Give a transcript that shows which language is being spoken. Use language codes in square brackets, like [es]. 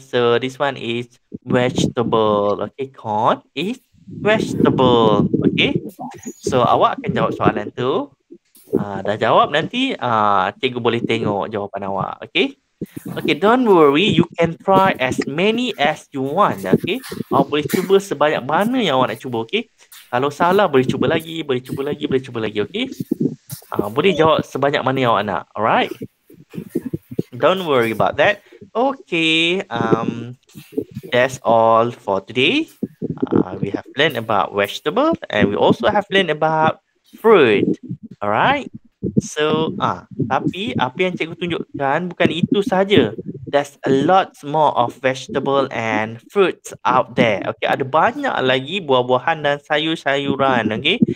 [en] So this one is vegetable. Okay, corn is vegetable. Okay. [ms] So awak akan jawab soalan tu. Dah jawab nanti, cikgu boleh tengok jawapan awak. Okay. [en] Okay, don't worry. You can try as many as you want. Okay. [ms] Awak boleh cuba sebanyak mana yang awak nak cuba. Okay. Kalau salah, boleh cuba lagi. Boleh cuba lagi. Boleh cuba lagi. Okay. Boleh jawab sebanyak mana awak nak, alright? [en] Don't worry about that. Okay, that's all for today. We have learned about vegetable and we also have learned about fruit, alright? [ms] So, tapi apa yang cikgu tunjukkan bukan itu sahaja. [en] There's a lot more of vegetable and fruits out there. [ms] Okay, ada banyak lagi buah-buahan dan sayur-sayuran, okay?